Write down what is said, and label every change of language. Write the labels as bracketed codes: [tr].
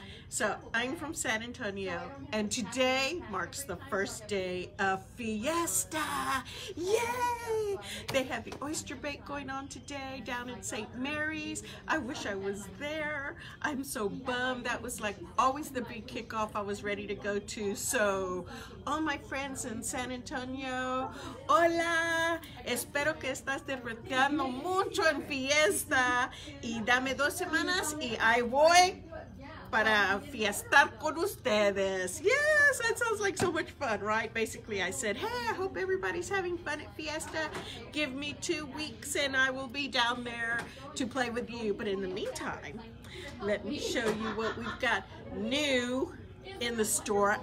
[en] So, I'm from San Antonio, and today marks the first day of Fiesta! Yay! They have the oyster bake going on today down at St. Mary's. I wish I was there. I'm so bummed. That was like always the big kickoff I was ready to go to. So, all my friends in San Antonio, hola! [es] Espero que estás disfrutando mucho en Fiesta. Y dame dos semanas y ahí voy. Para fiestar con ustedes. [en] Yes, that sounds like so much fun, right? Basically, I said, hey, I hope everybody's having fun at Fiesta. Give me 2 weeks and I will be down there to play with you. But in the meantime, let me show you what we've got new in the store.